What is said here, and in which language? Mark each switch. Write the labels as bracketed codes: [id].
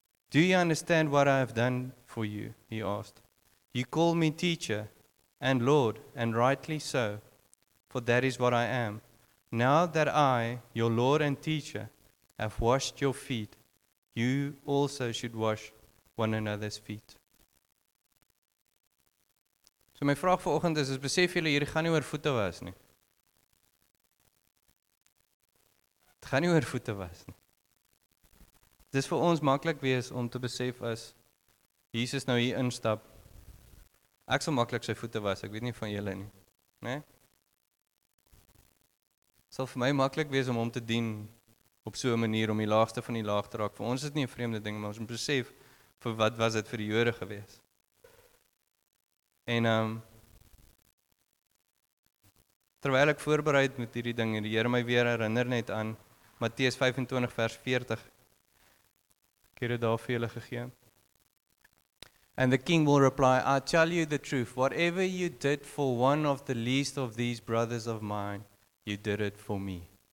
[en] Do you understand what I have done for you? He asked. You call me teacher and Lord, and rightly so, for that is what I am. Now that I, your Lord and teacher, have washed your feet, you also should wash one another's feet. [af] So my vraag vir oggend is, besef julle hierdie gaan nie oor voete was nie. Dit gaan nie oor voete was nie. Dit is vir ons maklik wees om te besef as Jesus nou hier instap, ek sal maklik sy voete was, ek weet nie van julle nie. Nee? Sal vir my maklik wees om hom te dien op so 'n manier om die laagste van die laag te raak. Vir ons is dit nie 'n vreemde ding, maar ons moet besef vir wat was dit vir die Jode gewees. En terwyl ek voorberei het met hierdie ding, die Here my weer herinner net aan Matteus 25 vers 40. Ek het dit daar vir julle gegee. [en] And the king will reply, I tell you the truth, whatever you did for one of the least of these brothers of mine, you did it for me.